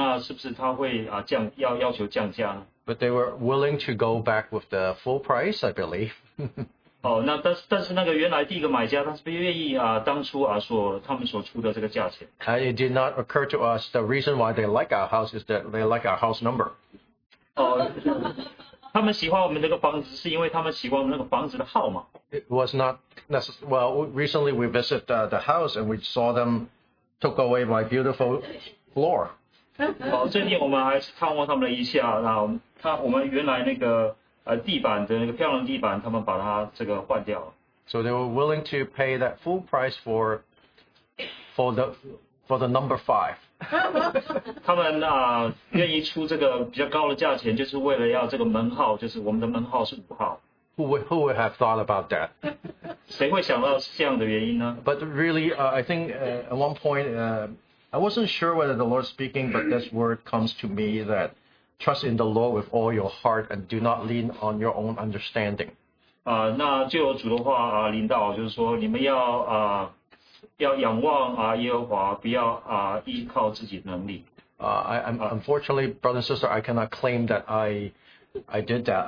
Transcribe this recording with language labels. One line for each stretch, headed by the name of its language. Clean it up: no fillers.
Chinese: 是不是如果我们回到那个原来那一个出价的买家，那是不是他会要求降价呢？
English: But they were willing to go back with the full price, I believe.
Chinese: 那但是那个原来第一个买家，他是不愿意当初所他们所出的这个价钱。
English: It did not occur to us the reason why they like our house is that they like our house number.
Chinese: 他们喜欢我们那个房子，是因为他们喜欢我们那个房子的号码。
English: It was not necessary. Well, recently we visited the house and we saw them took away my beautiful floor.
Chinese: 最近我们还是探望他们了一下，那我们原来那个地板的那个漂亮地板，他们把它这个换掉了。
English: So they were willing to pay that full price for the number five.
Chinese: 他们愿意出这个比较高的价钱，就是为了要这个门号，就是我们的门号是五号。
English: Who would have thought about that?
Chinese: 谁会想到是这样的原因呢?
English: But really, I think at one point, I wasn't sure whether the Lord's speaking, but this word comes to me that trust in the Lord with all your heart and do not lean on your own understanding.
Chinese: 那就有主的话领导就是说你们要仰望耶和华不要依靠自己能力。
English: Unfortunately, brother and sister, I cannot claim that I did that.